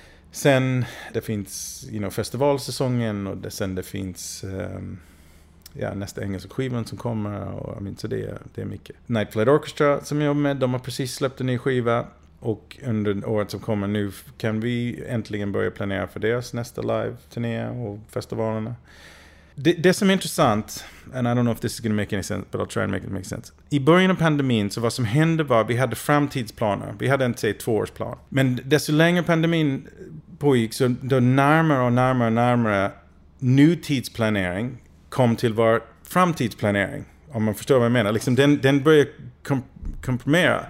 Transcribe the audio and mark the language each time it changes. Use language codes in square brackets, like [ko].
[sv] Sen det finns, you know, festivalsäsongen, och sen det finns nästa engelska skivan som kommer, och jag menar, så det är mycket. Night Flight Orchestra som jag jobbar med, de har precis släppt en ny skiva. Och under året som kommer nu kan vi äntligen börja planera för deras nästa live-turné och festivalerna. Det som är intressant, [en] and I don't know if this is going to make any sense, but I'll try and make it make sense. [sv] I början av pandemin, så vad som hände var att vi hade framtidsplaner. Vi hade en, say, tvåårsplan. Men desto längre pandemin pågick, så då närmare nutidsplanering kom till vår framtidsplanering. Om man förstår vad jag menar. Liksom den började komprimera.